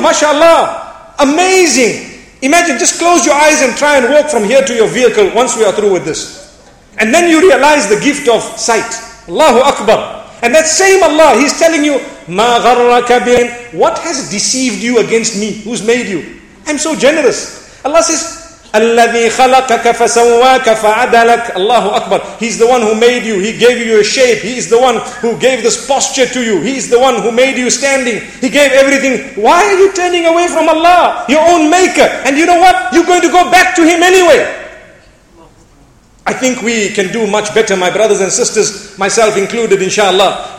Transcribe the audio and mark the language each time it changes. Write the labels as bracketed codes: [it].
[en] MashaAllah. Amazing. Imagine, just close your eyes and try and walk from here to your vehicle once we are through with this. And then you realize the gift of sight. Allahu Akbar. And that same Allah, He's telling you, [ar] مَا غَرَّكَ بِهِ. [en] What has deceived you against me? Who's made you? I'm so generous. Allah says, [ar] أَلَّذِي خَلَقَكَ فَسَوَّاكَ فَعَدَلَكَ. [en] Allahu Akbar. He's the one who made you. He gave you a shape. He is the one who gave this posture to you. He is the one who made you standing. He gave everything. Why are you turning away from Allah, your own maker? And you know what? You're going to go back to Him anyway. I think we can do much better, my brothers and sisters, myself included, inshallah.